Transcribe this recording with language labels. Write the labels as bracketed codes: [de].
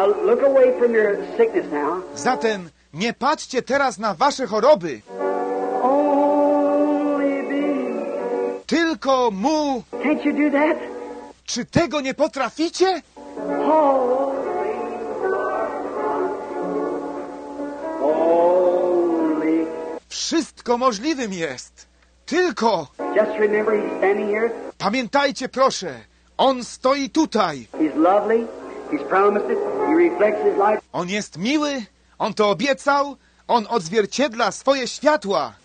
[en] Look away from your sickness now. [pl] Zatem nie patrzcie teraz na wasze choroby. [en] Only be. [pl] Tylko mu. [en] Can't you do that? [pl] Czy tego nie potraficie? [en] Only. [pl] Wszystko możliwym jest. Tylko. [en] Just remember he's standing here. [pl] Pamiętajcie, proszę, on stoi tutaj. [en] He's lovely. He's promised it. He reflects his life. [pl] On jest miły, on to obiecał, on odzwierciedla swoje światła.